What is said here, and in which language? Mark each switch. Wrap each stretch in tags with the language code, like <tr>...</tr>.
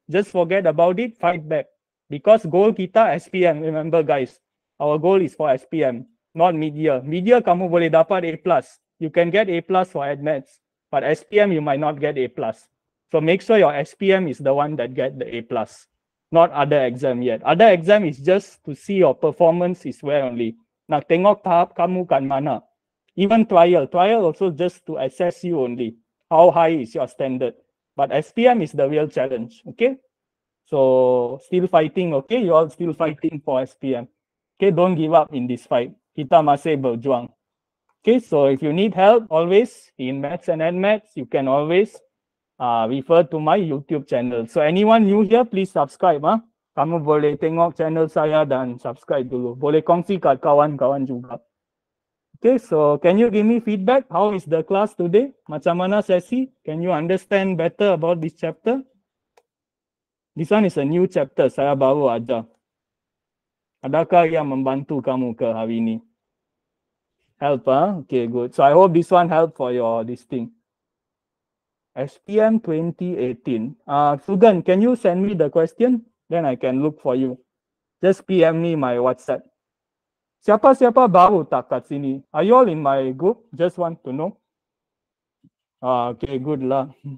<en>Just forget about it, fight back. Because goal kita SPM, remember guys, our goal is for SPM. Not media.</en> <ms>Media kamu boleh dapat A plus.</ms> <en>You can get A plus for admets, but SPM you might not get A plus. So make sure your SPM is the one that get the A plus, not other exam yet. Other exam is just to see your performance is where only.</en> <ms>Nak tengok tahap kamu kan mana.</ms> <en>Even trial, trial also just to assess you only. How high is your standard? But SPM is the real challenge. Okay, so still fighting. Okay, you all still fighting for SPM. Okay, don't give up in this fight.</en> <ms>Kita masih berjuang.</ms> <en>Okay, so if you need help, always in maths and admats, you can always refer to my YouTube channel. So anyone new here, please subscribe. Huh?</en> <ms>Kamu boleh tengok channel saya dan subscribe dulu. Boleh kongsi kat kawan-kawan juga.</ms> <en>Okay, so can you give me feedback? How is the class today?</en> <ms>Macam mana sesi?</ms> <en>Can you understand better about this chapter? This one is a new chapter.</en> <ms>Saya baru ajar. Adakah yang membantu kamu ke hari ini?</ms> <en>Help, huh? Okay, good. So I hope this one helped for your this thing. SPM 2018. Sugan, can you send me the question? Then I can look for you. Just PM me my WhatsApp.</en> <ms>Siapa-siapa baru tak kat sini?</ms> <en>Are you all in my group? Just want to know. Okay, good lah.</en>